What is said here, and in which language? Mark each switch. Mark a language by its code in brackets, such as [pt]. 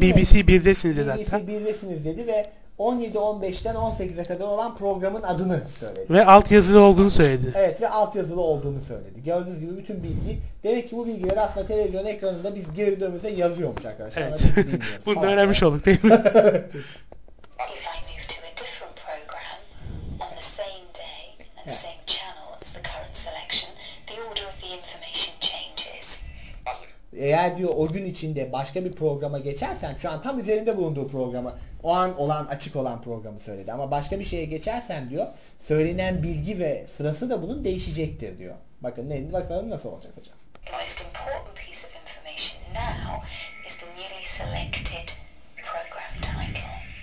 [tr] BBC 1'desiniz dedi zaten. BBC 1'desiniz dedi ve 17.15'ten 18'e kadar olan programın adını söyledi. Ve alt yazılı olduğunu söyledi. Evet ve alt yazılı olduğunu söyledi. Gördüğünüz gibi bütün bilgi. Demek ki bu bilgiler aslında televizyon ekranında biz geri dönmemize yazıyormuş arkadaşlar. Evet. Bunu da öğrenmiş olduk değil mi? [en] If I move to a different program on the same day and same channel as the current selection, the order of the information changes. [tr] Eğer diyor o gün içinde başka bir programa geçersem, şu an tam üzerinde bulunduğu programı, o an olan açık olan programı söyledi. Ama başka bir şeye geçersem diyor, söylenen bilgi ve sırası da bunun değişecektir diyor. Bakın ne, bakalım nasıl olacak hocam. [en] The most important piece of information now is the newly selected program title.